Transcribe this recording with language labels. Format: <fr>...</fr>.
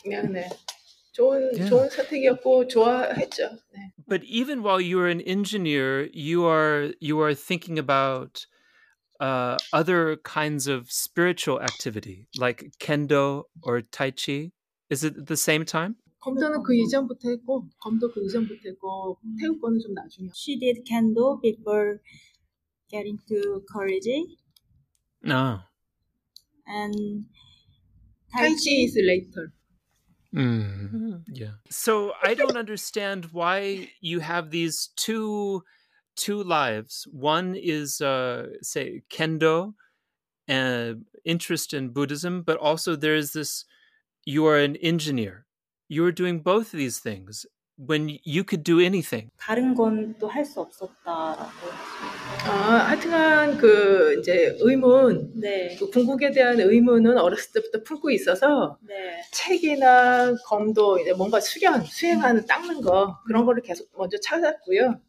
<ko>네, 좋은 선택이었고 좋아했죠.</ko> <en>But even while you're an engineer, you are thinking about other kinds of spiritual activity, like kendo or tai chi. Is it the same time?</en> <ko>검도는 그 이전부터 했고, 검도 그 이전부터 했고, 태우권은 좀 나중에.</ko> <en>She did kendo before getting to college. No. And tai chi is later. Yeah. So I don't understand why you have these two lives. One is, say, kendo, interest in Buddhism, but also there is this, you are an engineer. You are doing both of these things. when you could do anything.</en> <ko>다른 건 또 할 수 없었다라고. 아, 하여튼간 그 이제 의문, 네. 그 궁극에 대한 의문은 어렸을 때부터 품고 있어서 네. 책이나 검도, 이제 뭔가 수련, 수행하는, 닦는 거 그런 거를 계속 먼저 찾았고요.</ko>